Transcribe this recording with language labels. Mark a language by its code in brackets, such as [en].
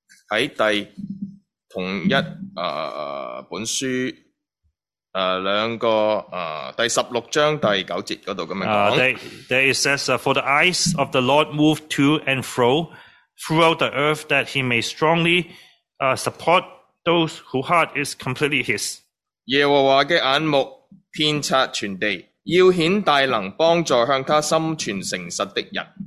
[zh] 在第同一本书两个第十六章第九节那里这样讲。 [en] There it says, For the eyes of the Lord move to and fro throughout the earth that he may strongly support those whose heart is completely his. [zh] 耶和华的眼目遍察全地，要显大能，帮助向他心存诚实的人。